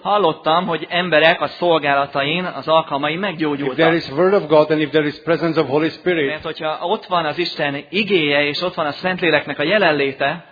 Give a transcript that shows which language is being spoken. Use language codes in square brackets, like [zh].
[hu] Hallottam, hogy emberek a szolgálatain, az alkalmain meggyógyultak. [en] If there is word of God and if there is presence of Holy Spirit, [hu] mert hogyha ott van az Isten igéje és ott van a Szentléleknek a jelenléte,